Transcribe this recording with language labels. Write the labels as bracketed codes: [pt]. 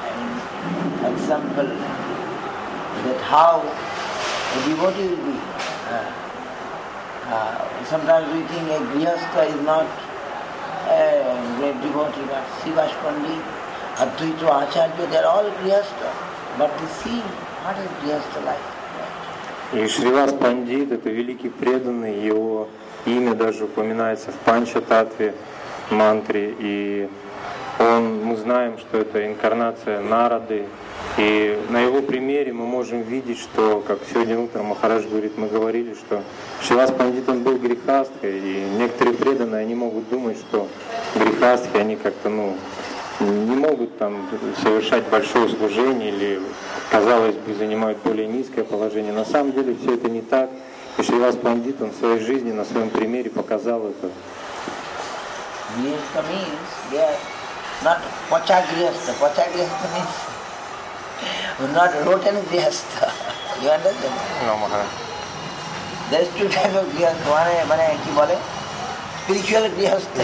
[en] And example that how a devotee will be. Sometimes we think a Grihastha is not a great devotee, but Sivas Pandit, Advaita Acharya, they are all Grihastha. But to see what is Grihastha life. [ru] И Шривас Пандит — это великий преданный, его имя даже упоминается в Панчататве мантре, и он, мы знаем, что это инкарнация Нарады, и на его примере мы можем видеть, что, как сегодня утром Махарадж говорит, мы говорили, что Шривас Пандит, он был грехастхой, и некоторые преданные, они могут думать, что грехастхи, они как-то, ну, не могут там совершать большое служение или, казалось бы, занимают более низкое положение. На самом деле все это не так. И Шривас Пандит, он в своей жизни на своем примере показал это. [en] Грехастха means they are not пачагрехастха. Пачагрехастха means not rotten грехастха. You understand? No, Maharaj. There is two types of грехастха. One is, what do you call it? Spiritual грехастха.